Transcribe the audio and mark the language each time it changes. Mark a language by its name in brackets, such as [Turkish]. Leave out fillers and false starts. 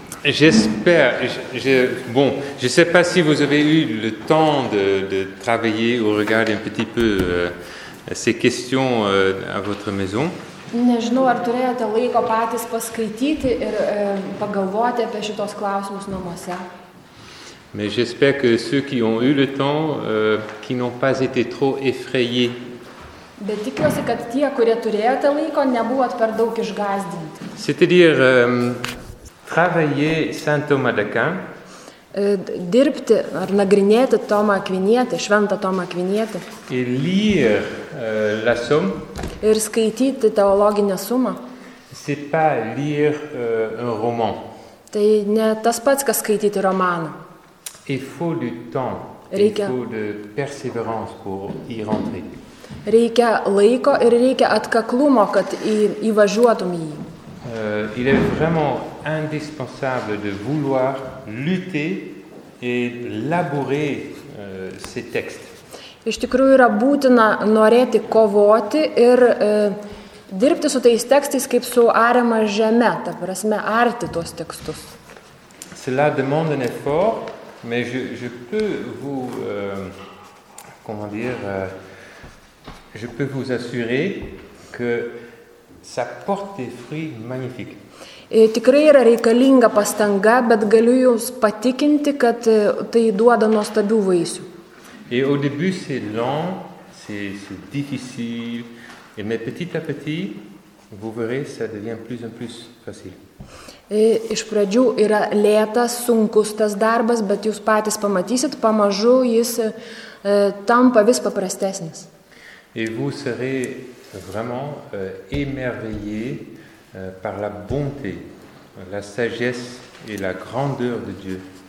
[French] J'espère, je sais pas si vous avez eu le temps de travailler ou regarder un petit peu ces questions à votre maison. [Lithuanian] Nežinau, ar turėjote laiko patys paskaityti ir pagalvoti apie šitos klausimus namuose. [French] Mais j'espère que ceux qui ont eu le temps, qui n'ont pas été trop effrayés. [Lithuanian] Bet tikiuosi, kad tie, kurie turėjote laiko, nebuvot per daug išgąsdinti. [French] C'est-à-dire, travailler Saint Thomas d'Aquin. [Lithuanian] Dirbti ar nagrinėti Tomą Akvinietį, šventą Tomą Akvinietį. [French] Et lire la somme. [Lithuanian] Ir skaityti teologinę sumą. [French] C'est pas lire un roman. [Lithuanian] Tai ne tas pats, kas skaityti romaną. [French] Il faut du temps, il faut de persévérance pour y rentrer. [Lithuanian] Reikia laiko ir reikia atkaklumo, kad įvažiuotum į jį. [French] Il est vraiment indispensable de vouloir lutter et labourer ces textes. [Lithuanian] Iš tikrųjų yra būtina norėti kovoti ir dirbti su tais tekstais kaip su ariama žeme, ta prasme arti tuos tekstus. [French] Cela demande un effort. Mais je peux vous comment dire je peux vous assurer que ça porte des fruits magnifiques. [Lithuanian] Et tikrai yra reikalinga pastanga, bet galiu jums patikinti, kad tai duoda nuostabių vaisių. [French] Et au début c'est long, c'est difficile, mais petit à petit vous verrez ça devient plus en plus facile. [Lithuanian] Iš pradžių yra lėtas, sunkus tas darbas, bet jūs patys pamatysit, pamažu jis tampa vis paprastesnis. [French] Et vous serez vraiment émerveillés par la bonté, la sagesse et la grandeur de Dieu.